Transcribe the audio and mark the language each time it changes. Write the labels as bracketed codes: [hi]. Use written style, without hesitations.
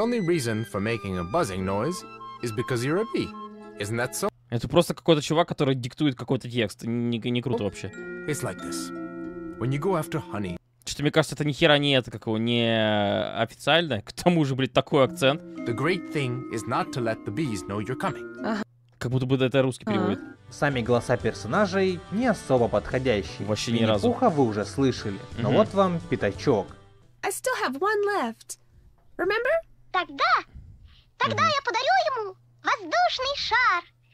[en] The only reason for making a buzzing noise is because you're a bee. Isn't that so? [ru] Это просто какой-то чувак, который диктует какой-то текст. Не круто вообще. [en] It's like this. When you go after honey... [ru] Что-то мне кажется, это нихера не это какого, не официально. К тому же, блядь, такой акцент. [en] The great thing is not to let the bees know you're coming. [ru] Как будто бы это русский переводит. Сами голоса персонажей не особо подходящие. Вообще ни разу. Винни-Пуха вы уже слышали. Но вот вам пятачок. [en] I still have one left. Remember? [ru] Тогда. Тогда я подарю ему воздушный шар.